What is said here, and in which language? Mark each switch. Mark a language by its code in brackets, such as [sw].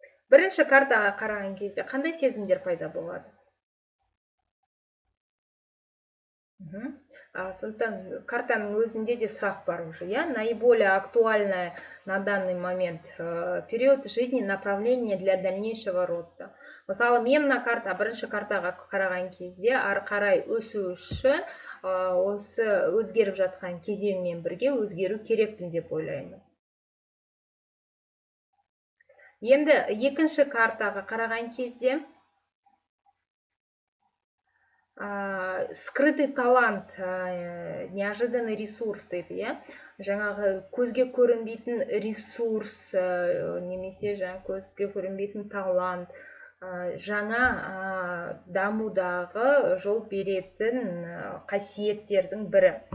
[kk] Бірінші картаға қараған кезде қандай сезімдер пайда болады? Сондықтан картаның өзінде де сұрақ бар уже. [ru] Наиболее актуальная на данный момент период жизни, направление для дальнейшего роста. [kk] Мысалы, мен мына карта, бірінші картаға қараған кезде ары қарай өсу үшін осы өзгеріп жатқан кезеңмен бірге өзгеру керекпін деп ойлаймын. Енді екінші картаға қараған кезде [ru] скрытый талант, неожиданный ресурс [kk] дейді, жаңағы көзге көрінбейтін ресурс, немесе жаңа көзге көрінбейтін талант, жаңа дамудағы жол беретін қасиеттердің бірі.